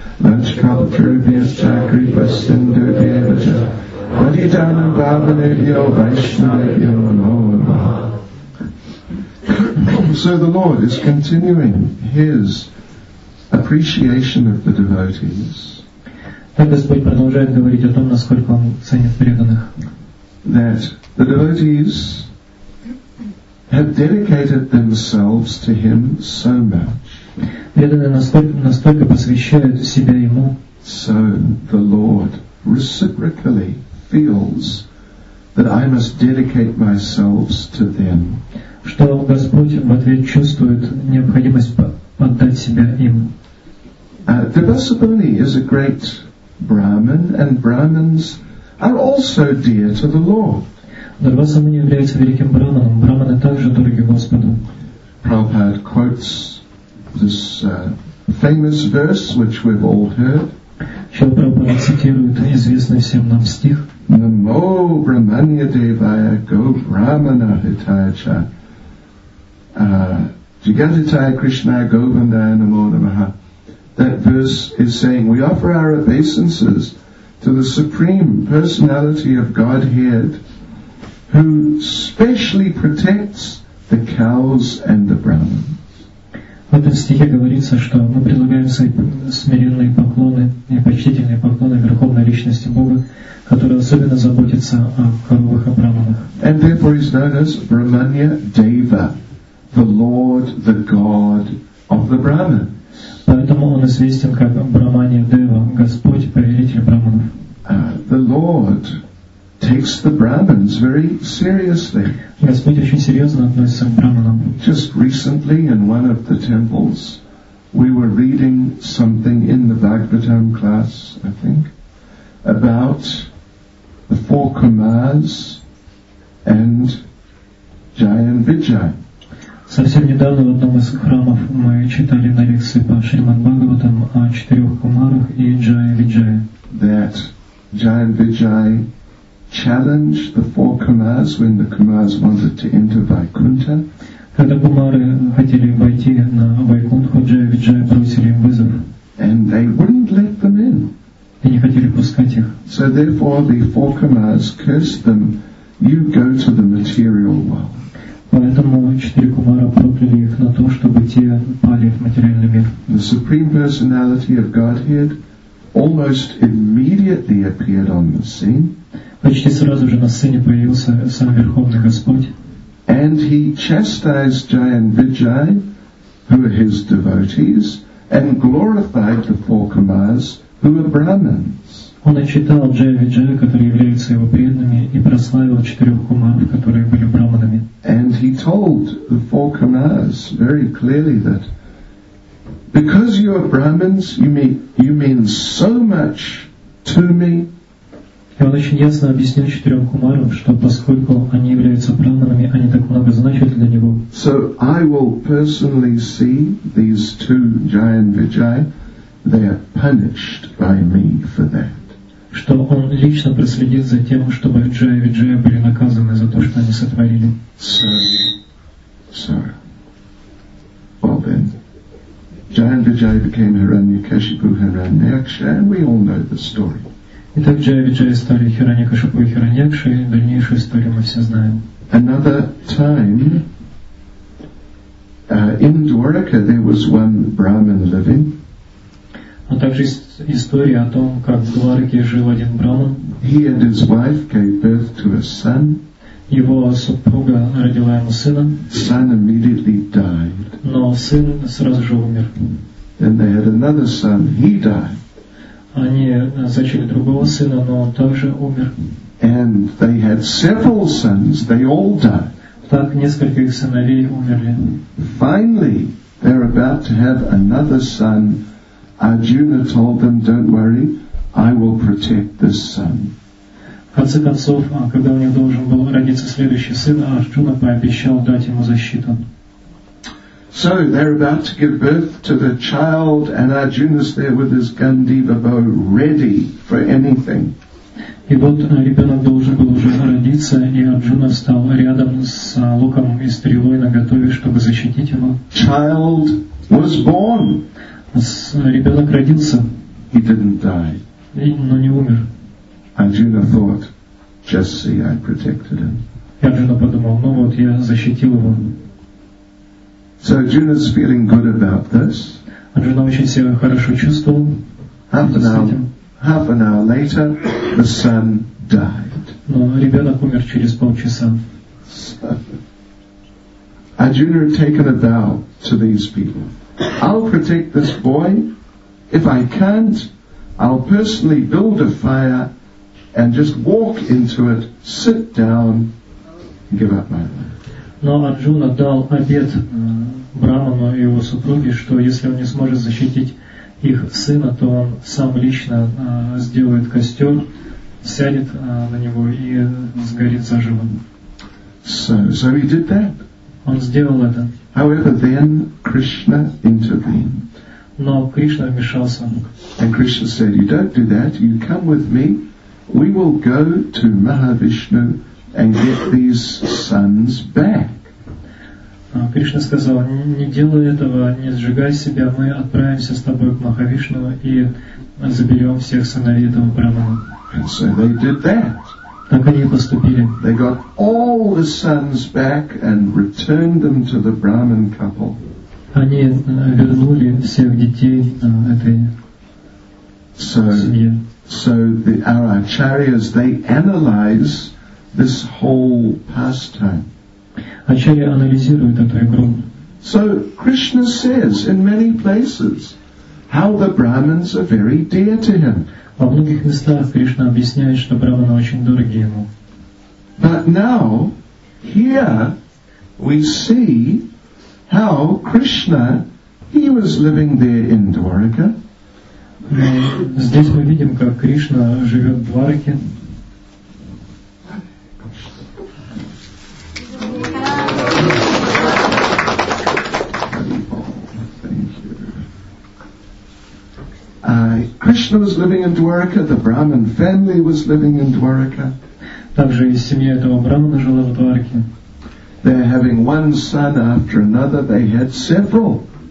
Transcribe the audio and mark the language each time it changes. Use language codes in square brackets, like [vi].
[sa] Manchkal Purubhyas Chakri Pastin Durdevaja. Vaditana Bhavanevyo Vaishnavyo Noma. [en] So the Lord is continuing His appreciation of the devotees. [ru] Так Господь продолжает говорить о том, насколько Он ценит преданных. [en] That the devotees have dedicated themselves to Him so much. [ru] Преданные настолько посвящают себя Ему. [en] So the Lord reciprocally feels that I must dedicate myself to them. [ru] Что Господь в ответ чувствует необходимость отдать себя им. [en] Vibhasabhuni is a great Brahmin, and Brahmins are also dear to the Lord. [ru] Vibhasabhuni является великим Брахманом. Брахманы также дороги Господу. [en] Prabhupada quotes this famous verse, which we've all heard. [ru] Шрила Прабхупада цитирует известный всем нам стих. [sa] Namo Brahmanya Devaya Go Brahmana Hitayacha. Jagadhitaya Krishna Govindaya Namo Namaha. [en] That verse is saying we offer our obeisances to the Supreme Personality of Godhead who specially protects the cows and the Brahmins. [ru] В этом стихе говорится, что мы предлагаем свои смиренные поклоны и почтительные поклоны Верховной Личности Бога, который особенно заботится о коровах и Брахманах. [en] And therefore is known as Brahmanya Deva. The Lord, the God of the Brahman. [ru] Поэтому он известен как Брахманья Дева, Господь, повелитель Брахманов. [en] The Lord takes the Brahmins very seriously. [ru] Господь очень серьезно относится к Брахманам. [en] Just recently in one of the temples, we were reading something in the Bhagavatam class, I think, about the four Kumars and Jai and Vijay. [ru] Совсем недавно в одном из храмов мы читали на лекции по Шримад Бхагаватам о четырех кумарах и Джая Виджая. [en] That Jaya and Vijaya challenged the four kumars when the kumars wanted to enter Vaikuntha. [ru] Когда кумары хотели войти на Вайкунху, Джая Виджая бросили им вызов. [en] And they wouldn't let them in. [ru] И не хотели пускать их. [en] So therefore the four kumars cursed them, you go to the material world. [ru] Поэтому четыре кумара прокляли их на то, чтобы те пали в материальный мир. [en] The Supreme Personality of Godhead almost immediately appeared on the scene. [ru] Почти сразу же на сцене появился сам Верховный Господь. [en] And he chastised Jaya and Vijaya, who are his devotees, and glorified the four kumars, who are Brahmins. [ru] Он отчитал Джая Виджая, которые являются его преданными, и прославил четырех кумаров, которые были брахманами. [en] And he told the four kumars very clearly that because you are Brahmins, you mean so much to me. [ru] И он очень ясно объяснил четырем кумарам, что поскольку они являются брахманами, они так много значат для него. [en] So I will personally see these two Jaya and Vijaya. They are punished by me for that. [ru] Что он лично проследит за тем, чтобы Джая и Виджая были наказаны за то, что они сотворили. [en] Sir. Well then, Jaya and Vijaya became Hiranyakashipu, Hiranyaksha, and we all know the story. [ru] Итак, Джая и Виджая стали Хираньякашипу и Хираньякшей, и дальнейшую историю мы все знаем. [en] Another time, in Dwaraka there was one Brahmin living. [ru] А также история о том, как в Дварике жил один Брахман. [en] He and his wife gave birth to a son. [ru] Его супруга родила ему сына. [en] Son immediately died. [ru] Но сын сразу же умер. [en] Then they had another son. He died. [ru] Они зачали другого сына, но он также умер. [en] And they had several sons. They all died. [ru] Так несколько их сыновей умерли. [en] Finally, they're about to have another son. Arjuna told them, "Don't worry, I will protect this son." [ru] В конце концов, когда у них должен был родиться следующий сын, Арджуна пообещал дать ему защиту. [en] So they're about to give birth to the child, and Arjuna's there with his Gandiva bow, ready for anything. [ru] И вот ребенок должен был уже родиться, и Арджуна стал рядом с луком и стрелой наготове, чтобы защитить его. [en] Child was born. [ru] Ребенок родился. [en] He didn't die. [ru] Но не умер. [en] Arjuna thought, "Just see, I protected him." [ru] И Арджуна подумал, ну вот я защитил его. [en] So Arjuna's feeling good about this. [ru] Арджуна очень себя хорошо чувствовал. [en] Half an hour later, the son died. [ru] Но ребенок умер через полчаса. [en] Arjuna had taken a vow to these people. I'll protect this boy. If I can't, I'll personally build a fire and just walk into it, sit down, and give up my life. [ru] Но Арджуна дал обет Браману и его супруге, что если он не сможет защитить их сына, то он сам лично сделает костер, сядет на него и сгорит заживо. [en] So he did that. [ru] Он сделал это. [en] However, then Krishna intervened. [ru] Но Кришна вмешался. [en] And Krishna said, "You don't do that. You come with me. We will go to Mahavishnu and get these sons back." [ru] Кришна сказал, не делай этого, не сжигай себя, мы отправимся с тобой к Махавишну и заберем всех сыновей этого брамана. [en] So they did that. [ru] Так они и поступили. [en] They got all the sons back and returned them to the Brahmin couple. [ru] Они вернули всех детей этой семье. [en] So the Acharyas, they analyze this whole pastime. [ru] Ачарья анализирует эту игру. [en] So Krishna says in many places how the Brahmins are very dear to him. [ru] Во многих местах Кришна объясняет, что Брахманы очень дороги ему. [en] But now here we see how Krishna, he was living there in Dwarka. [ru] Здесь мы видим, как Кришна живет в Дварке. [en] Krishna was living in Dwarka, the Brahmin family was living in Dwarka. [ru] Также и семья этого брахмана жила в Дварке. [en] They're having one son after another, they had several.